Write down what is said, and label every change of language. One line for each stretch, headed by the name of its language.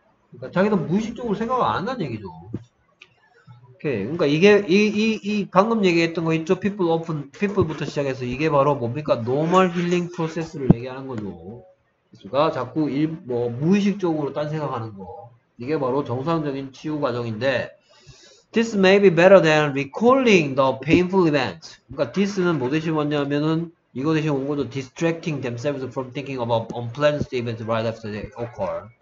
Korean: 그러니까 자기는 무의식적으로 생각을 안 한다는 얘기죠. 오케이. 그러니까 이게 이 방금 얘기했던 거 있죠. People부터 시작해서 이게 바로 뭡니까?
English: Normal healing process
Korean: 를 얘기하는 거죠. 그러니까 자꾸 무의식적으로 딴 생각하는 거. 이게 바로 정상적인 치유 과정인데.
English: This may be better than recalling the painful events.
Korean: 그러니까 this는 뭐 대신 왔냐면은 이거 대신 온 거죠.
English: Distracting themselves from thinking about unpleasant events right after they occur.